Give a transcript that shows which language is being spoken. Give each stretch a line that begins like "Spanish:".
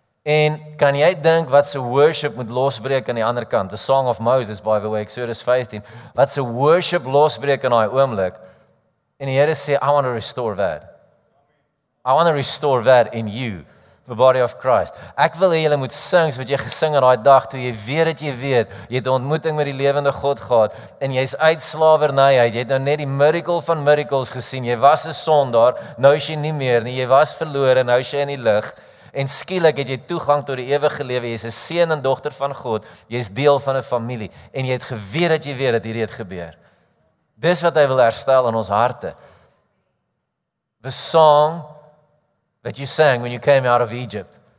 Afrikaans: En kan jy dink wat se worship moet losbreek aan die ander kant?
English: The Song of Moses, by the way, Exodus 15.
Afrikaans: Wat se worship losbreek in daai oomblik? En die Here sê,
English: I want to restore that. I want to restore that in you, the body of Christ.
Afrikaans: Ek wil hê julle moet sing, wat jy gesing het daai dag, toe jy weet dat jy weet, jy het 'n ontmoeting met die lewende God gehad, en jy is uit slawernij uit, jy het nou net die miracle van miracles gesien, jy was 'n sondaar, nou is jy nie meer nie, jy was verlore, nou is jy in die lig, en skielik het jy toegang tot die ewige lewe, jy is 'n seun en dogter van God, jy is deel van 'n familie, en jy het geweet dat jy weet dat hierdie het gebeur. Dis wat hy wil herstel in ons harte.
English: The song that you sang when you came out of Egypt.